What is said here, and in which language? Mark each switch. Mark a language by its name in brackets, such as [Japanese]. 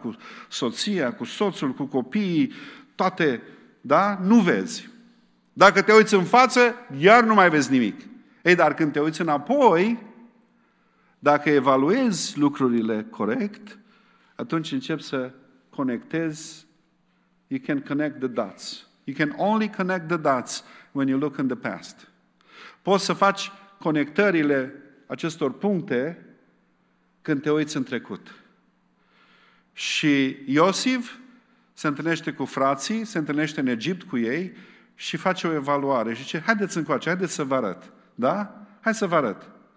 [Romanian] Cu soția, cu soțul, cu copiii, toate, da? Nu vezi. Dacă te uiți în față, iar nu mai vezi nimic. Ei, dar când te uiți înapoi, dacă evaluezi lucrurile corect, atunci începi să conectezi. [English] You can connect the dots. You can only connect the dots when you look in the past. [Romanian] Poți să faci conectările acestor puncte când te uiți în trecut. Și Iosif se întâlnește cu frații, se întâlnește în Egipt cu ei și face o evaluare. Și zice, haideți încoace, haideți să vă arăt. Da? Hai să vă arăt.